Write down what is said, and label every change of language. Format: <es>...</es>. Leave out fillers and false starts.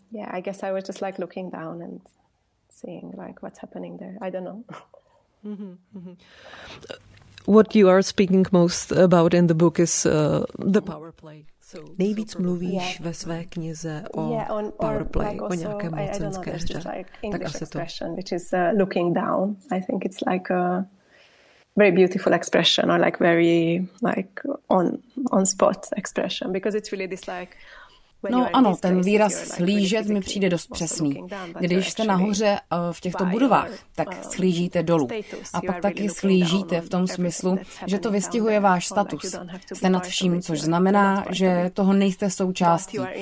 <en>I guess I was just looking down and seeing what's happening there. I don't know. What you are speaking most about in the book is the power play.</en> <cs>Nejvíc mluvíš ve své knize o powerplay, o nějaké mocenské hře. Tak asi to.</cs> <en>Which is looking down. I think it's a very beautiful expression, or very on spot expression, because it's really this</en> <cs>No ano, ten výraz shlížet mi přijde dost přesný. Když jste nahoře v těchto budovách, tak shlížíte dolů. A pak taky shlížíte v tom smyslu, že to vystihuje váš status. Jste nad vším, což znamená, že toho nejste součástí.</cs>